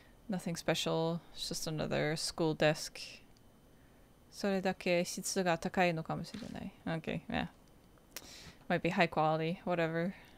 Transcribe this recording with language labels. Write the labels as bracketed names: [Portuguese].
[English] Nothing special, it's just another school desk. [Japanese] それだけ質が高いのかもしれない。 [English] Okay, yeah. Might be high quality, whatever.